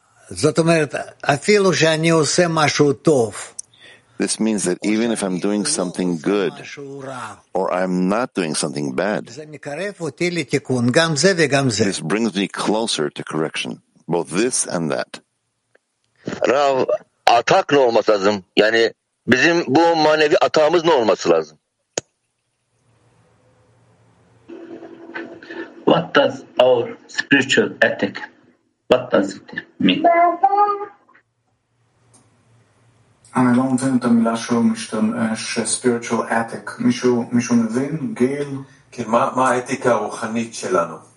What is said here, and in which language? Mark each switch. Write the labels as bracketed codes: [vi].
[en] This means that even if I'm doing something good or I'm not doing something bad, this brings me closer to correction, both this and that. [tr] Rav, atak ne olması lazım? Yani bizim bu manevi atağımız ne olması lazım? [en] What does our spiritual ethic, what does it mean? [he] אני לא מבין את המילה שהוא משתמש, [en] spiritual ethic. [he] מישהו מבין? גיל? כן, מה האתיקה הרוחנית שלנו?